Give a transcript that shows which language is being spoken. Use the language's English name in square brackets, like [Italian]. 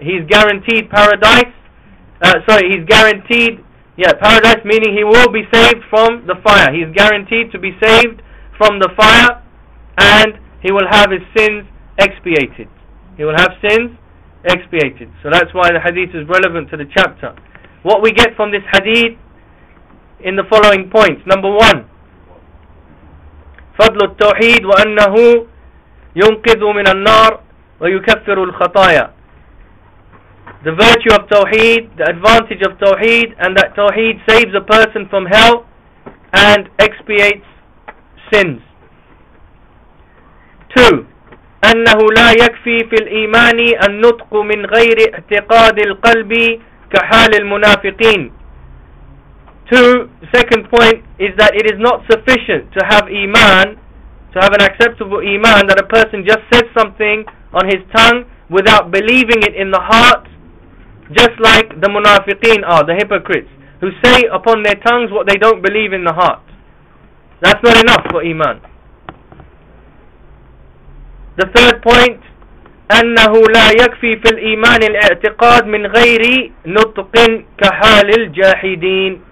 [English] He's guaranteed paradise. Paradise, meaning he will be saved from the fire. He is guaranteed to be saved from the fire, and he will have his sins expiated. He will have sins expiated. So that's why the hadith is relevant to the chapter. What we get from this hadith in the following points. Number one, [Arabic] فضل التوحيد وأنه ينقذ من النار ويكفر الخطايا. [English] The virtue of tawheed, the advantage of tawheed, and that tawheed saves a person from hell and expiates sins. Two, [Arabic] أنه لا يكفي في الإيمان النطق من غير اعتقاد القلب كحال المنافقين. [English] Two, second point is that it is not sufficient to have iman, to have an acceptable iman, that a person just says something on his tongue without believing it in the heart, just like the munafiqeen are, the hypocrites, who say upon their tongues what they don't believe in the heart. That's not enough for iman. The third point, [Arabic] أنه لا يكفي في الإيمان الاعتقاد من غير نطق كحال الجاحدين.